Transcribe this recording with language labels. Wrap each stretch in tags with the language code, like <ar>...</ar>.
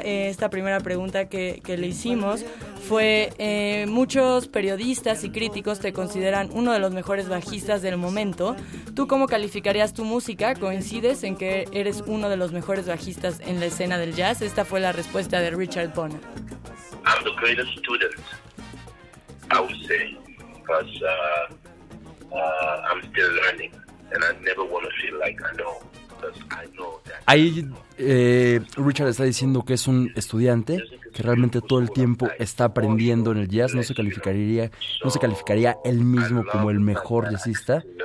<es>Esta primera pregunta que le hicimos fue, muchos periodistas y críticos te consideran uno de los mejores bajistas del momento. ¿Tú cómo calificarías tu música? ¿Coincides en que eres uno de los mejores bajistas en la escena del jazz? Esta fue la respuesta de Richard Bona.</es> <en>I'm the greatest student, I would say, because I'm still learning, and I never want to feel like I know, because I know that.</en> <es>Ahí Richard está diciendo que es un estudiante, que realmente todo el tiempo está aprendiendo en el jazz. No se calificaría él mismo como el mejor jazzista.</es>